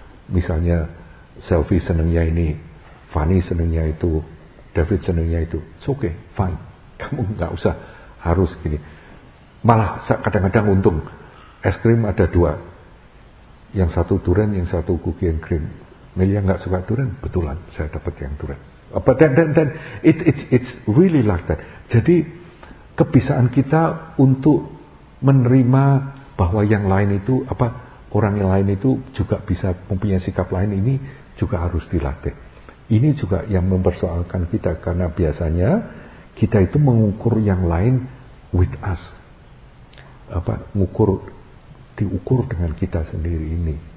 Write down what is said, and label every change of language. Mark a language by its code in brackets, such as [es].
[id] Misalnya selfie senengnya ini, Fanny senengnya itu, David senengnya itu. [en] It's okay, fine. [id] Kamu gak usah harus gini. Malah kadang-kadang untung. Es krim ada dua. Yang satu durian, yang satu cookie and cream. Melia gak suka durian, betulan saya dapat yang durian. [en] But then it's really like that. [id] Jadi kebiasaan kita untuk menerima bahwa yang lain itu apa, orang yang lain itu juga bisa mempunyai sikap lain, ini juga harus dilatih. Ini juga yang mempersoalkan kita, karena biasanya kita itu mengukur yang lain [en] with us, [id] apa, mengukur, diukur dengan kita sendiri ini.